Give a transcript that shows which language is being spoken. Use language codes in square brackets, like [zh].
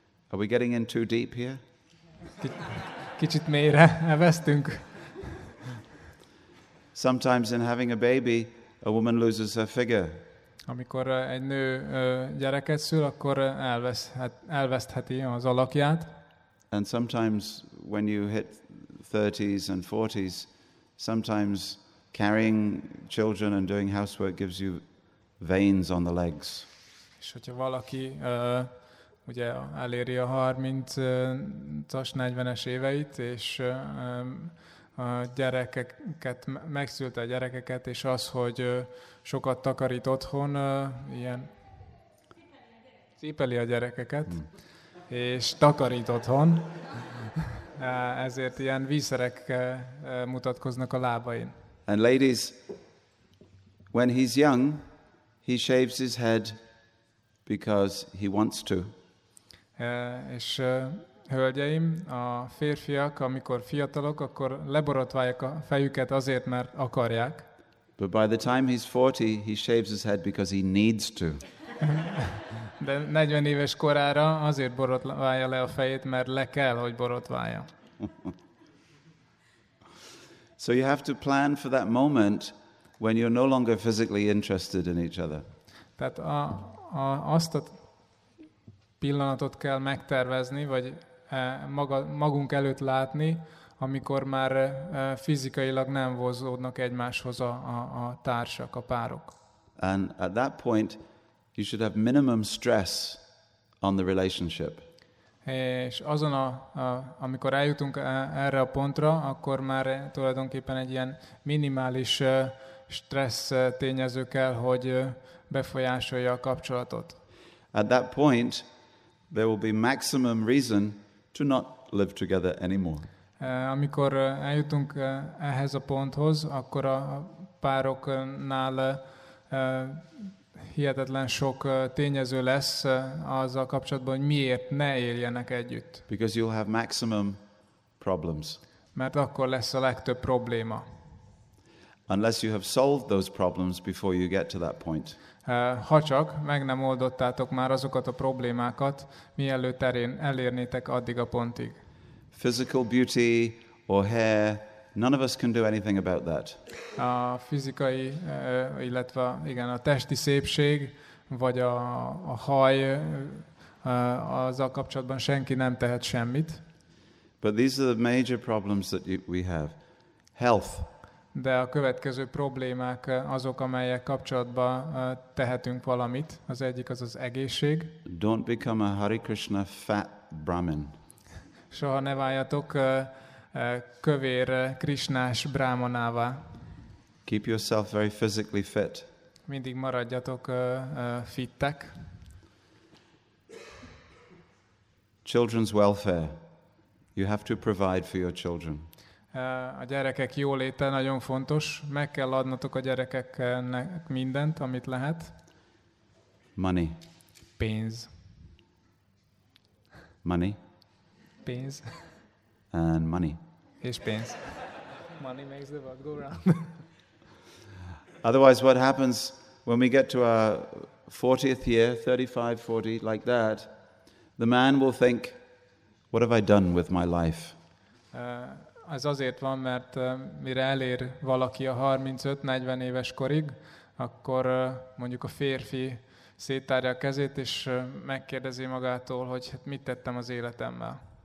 [en] Are we getting in too deep here? [hu] Kicsit mélyre elvesztünk. [en] Sometimes in having a baby, a woman loses her figure. [hu] Amikor egy nő gyereket szül, akkor elvesztheti az alakját. [en] And sometimes when you hit 30s and 40s, sometimes carrying children and doing housework gives you veins on the legs. [hu] És hogyha valaki ugye eléri a 30-as, 40-es éveit, és a gyerekeket, megszülte a gyerekeket, és az, hogy sokat takarít otthon, ilyen cipeli a gyerekeket, és takarít otthon, ezért ilyen vízszerek mutatkoznak a lábain. [en] And ladies, when he's young, he shaves his head because he wants to. [hu] És hölgyeim, a férfiak, amikor fiatalok, akkor leborotválják a fejüket azért, mert akarják. [en] But by the time he's 40, he shaves his head because he needs to. [hu] De 40 éves korára azért borotválja le a fejét, mert le kell, hogy borotválja. [en] So you have to plan for that moment when you're no longer physically interested in each other. [hu] Tehát azt a pillanatot kell megtervezni, vagy magunk előtt látni, amikor már fizikailag nem vonzódnak egymáshoz a társak, a párok. [en] And at that point, you should have minimum stress on the relationship. [hu] És azon amikor eljutunk erre a pontra, akkor már tulajdonképpen egy ilyen minimális stressz tényező kell, hogy befolyásolja a kapcsolatot. [en] At that point, there will be maximum reason to not live together anymore. [hu] Amikor eljutunk ehhez a ponthoz, akkor a pároknál hihetetlen sok tényező lesz azzal kapcsolatban, hogy miért ne éljenek együtt. [en] Because you'll have maximum problems. [hu] Mert akkor lesz a legtöbb probléma. [en] Unless you have solved those problems before you get to that point. [hu] Ha csak meg nem oldottátok már azokat a problémákat, mielőtt elérnétek addig a pontig. [en] Physical beauty or hair, none of us can do anything about that. [hu] A fizikai, illetve igen, a testi szépség, vagy a haj, azzal kapcsolatban senki nem tehet semmit. [en] But these are the major problems that we have. Health. [hu] De a következő problémák azok, amelyek kapcsolatban tehetünk valamit. Az egyik az az egészség. [en] Don't become a Hare Krishna fat Brahmin. [hu] Soha ne váljatok kövér krisnás brámanává. [en] Keep yourself very physically fit. [hu] Mindig maradjatok fittek. [en] Children's welfare. You have to provide for your children. [hu] A gyerekek jóléte nagyon fontos. Meg kell adnotok a gyerekeknek mindent, amit lehet. [en] Money. [hu] Pénz. [en] Money. [hu] Pénz. [en] And money. [hu] És pénz. [en] Money makes the world go round. Otherwise, what happens when we get to our 40th year, 35, 40, like that, the man will think, what have I done with my life? [hu] Ez azért van, mert mire elér valaki a 35-40 éves korig, akkor mondjuk a férfi széttárja a kezét, és megkérdezi magától, hogy mit tettem az életemmel.